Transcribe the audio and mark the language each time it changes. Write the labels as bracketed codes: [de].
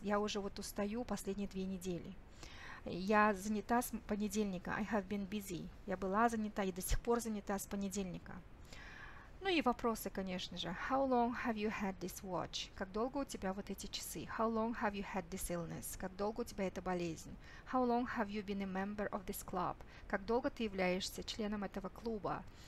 [ru] Я уже вот устаю последние 2 недели. Я занята с понедельника. [en] I have been busy. [ru] Я была занята и до сих пор занята с понедельника. Ну и вопросы, конечно же. [en] How long have you had this watch? [ru] Как долго у тебя вот эти часы? [en] How long have you had this illness? [ru] Как долго у тебя эта болезнь? [en] How long have you been a member of this club? [ru] Как долго ты являешься членом этого клуба?